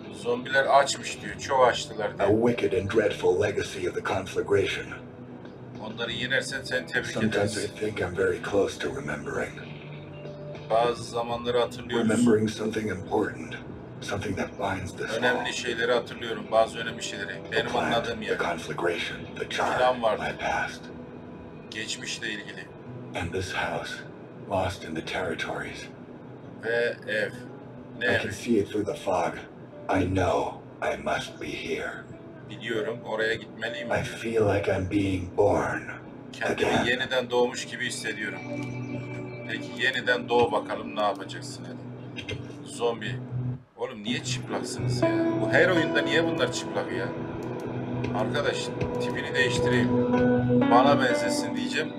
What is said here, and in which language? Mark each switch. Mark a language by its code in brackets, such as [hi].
[tr] Zombiler açmış diyor, çok açtılar diyor. [en] A wicked and dreadful legacy of the conflagration. [tr] Onları yenersen seni tebrik ederiz. [en] Sometimes I think I'm very close to remembering. [tr] Bazı zamanları hatırlıyoruz. [en] Remembering something important. Something that binds this all. [tr] Önemli şeyleri hatırlıyorum, bazı önemli şeyleri. Benim [en] plant, [tr] anladığım yer. [en] The conflagration, the charm, my past. [tr] Geçmişle ilgili. [en] And this house, lost in the territories. [tr] Ve ev. Ne [en] I can see it through the fog. I know I must be here. Biliyorum, oraya gitmeliyim. I feel like I'm being born [tr] kendimi [en] again. [tr] Yeniden doğmuş gibi hissediyorum. Peki yeniden doğ bakalım, ne yapacaksın hadi. Zombi. Oğlum niye çıplaksınız ya? Bu her oyunda niye bunlar çıplak ya? Arkadaş tipini değiştireyim. Bana benzesin diyeceğim.